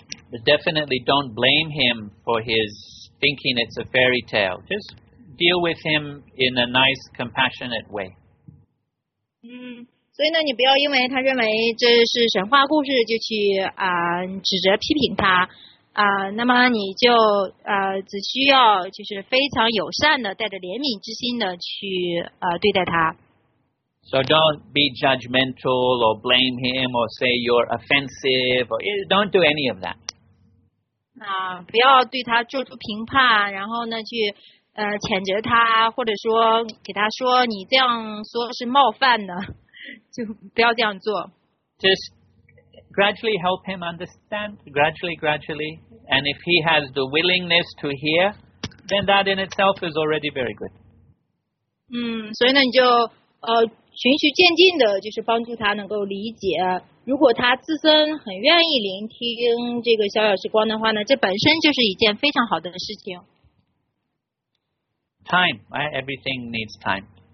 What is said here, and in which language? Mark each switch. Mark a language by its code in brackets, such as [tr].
[en] But definitely don't blame him for his thinking it's a fairy tale just deal with him in a nice compassionate way [zh] 所以呢你不要因为他认为这是神话故事就去指责批评他那么你就只需要就是非常友善的带着怜悯之心的去对待他。 [en] So don't be judgmental or blame him or say you're offensive or don't do any of that. [zh] 不要对他做出评判然后呢去谴责他或者说给他说你这样说是冒犯的。就不要这样做。 [en] Just gradually help him understand, gradually. And if he has the willingness to hear, then that in itself is already very good. [zh] 所以呢你就循序渐进的就是帮助他能够理解。如果他自身很愿意聆听这个逍遥时光的话呢这本身就是一件非常好的事情。 [en] Time, right? Everything needs time.